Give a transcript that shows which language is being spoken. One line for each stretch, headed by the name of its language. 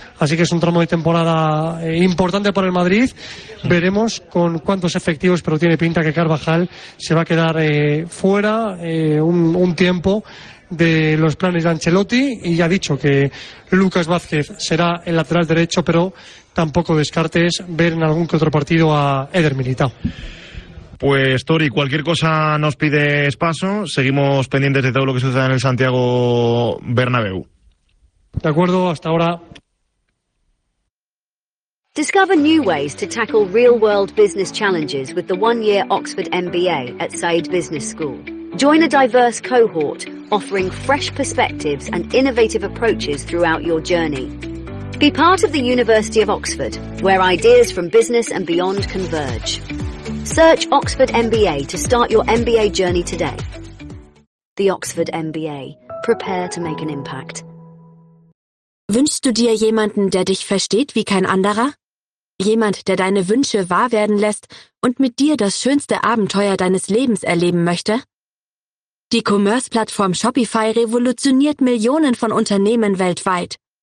Spanish: Así que es un tramo de temporada importante para el Madrid. Veremos con cuántos efectivos, pero tiene pinta que Carvajal se va a quedar fuera un tiempo de los planes de Ancelotti, y ya ha dicho que Lucas Vázquez será el lateral derecho, pero tampoco descartes ver en algún que otro partido a Eder Militao. Pues Tori, cualquier cosa nos pides paso, seguimos pendientes de todo lo que suceda en el Santiago Bernabéu. De acuerdo, hasta ahora.
English: Discover new ways to tackle real-world business challenges with the one-year Oxford MBA at Said Business School. Join a diverse cohort offering fresh perspectives and innovative approaches throughout your journey. Be part of the University of Oxford, where ideas from business and beyond converge. Search Oxford MBA to start your MBA journey today. The Oxford MBA. Prepare to make an impact.
German: Wünschst du dir jemanden, der dich versteht wie kein anderer? Jemand, der deine Wünsche wahr werden lässt und mit dir das schönste Abenteuer deines Lebens erleben möchte? Die Commerce-Plattform Shopify revolutioniert Millionen von Unternehmen weltweit.